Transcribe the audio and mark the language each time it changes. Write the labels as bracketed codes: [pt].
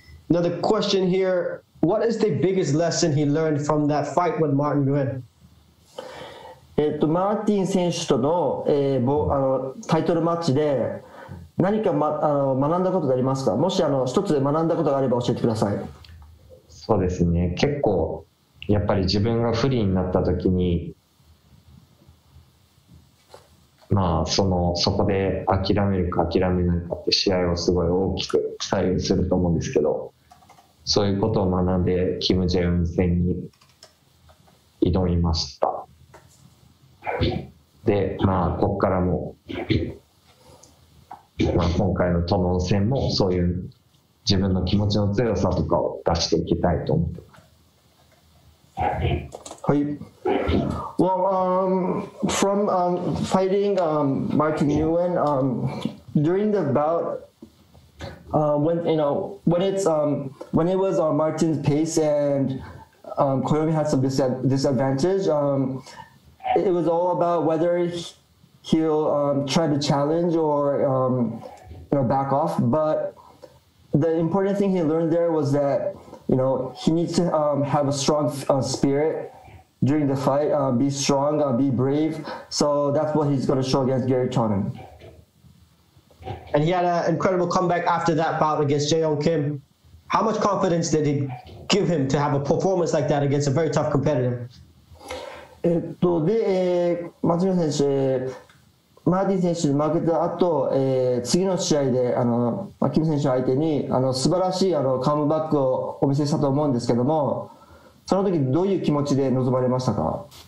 [en] Another question here, what is the biggest lesson he learned from that fight with Martin Nguyen? [ja] マーティン選手との、タイトルマッチで何か、学んだことがありますか？もし一つ学んだことがあれば教えてください。そうですね、結構やっぱり自分が不利になった時に、まあ、そこで諦めるか諦めないかって試合をすごい大きく左右すると思うんですけど、そういうことを学んでキム・ジェウン戦に挑みました。で、まあ、ここからも、まあ、今回のトノン戦もそういう自分の気持ちの強さとかを出していきたいと思ってます。 [en] Hi. Well, from fighting Martin Nguyen during the bout, when it was Martin's pace and Koyomi had some disadvantage, it was all about whether he'll try to challenge or back off. But the important thing he learned there was that, you know, he needs to have a strong spirit during the fight, be strong, be brave. So that's what he's going to show against Gary Tonin. And he had an incredible comeback after that bout against Jae-yong Kim. How much confidence did it give him to have a performance like that against a very tough competitor? [ja] で、松村選手、マーティン選手に負けた後、次の試合でキム選手相手に素晴らしいカムバックをお見せしたと思うんですけども、その時どういう気持ちで臨まれましたか？